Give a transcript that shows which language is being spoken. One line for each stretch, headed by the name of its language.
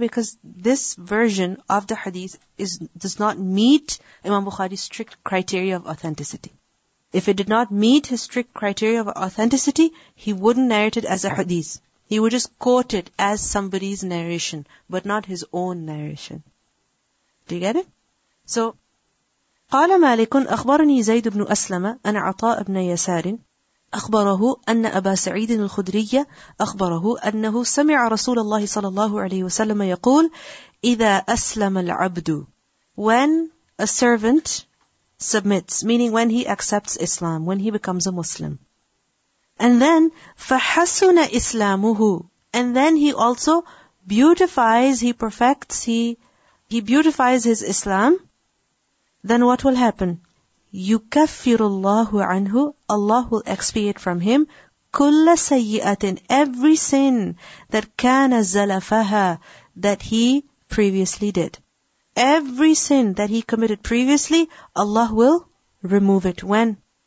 English: Because this version of the hadith does not meet Imam Bukhari's strict criteria of authenticity. If it did not meet his strict criteria of authenticity, he wouldn't narrate it as a hadith. He would just quote it as somebody's narration, but not his own narration. Do you get it?
Arabic: So, قال مالك أخبرني زيد بن أسلم أن عطاء بن يسار أخبره أن أبا سعيد الخدري أخبره أنه سمع رسول الله صلى الله عليه وسلم يقول إذا أسلم العبد
English: When a servant submits, meaning when he accepts Islam, when he becomes a Muslim. And then
Arabic: فحسن إسلامه
English: And then he also beautifies, he perfects, he beautifies his Islam. Then what will happen?
Arabic: يُكَفِّرُ اللَّهُ عَنْهُ
English: Allah will expiate from him
Arabic: كُلَّ سَيِّئَةٍ
English: Every sin that
Arabic: كَانَ زَلَفَهَا
English: That he previously did. Every sin that he committed previously, Allah will remove it. When?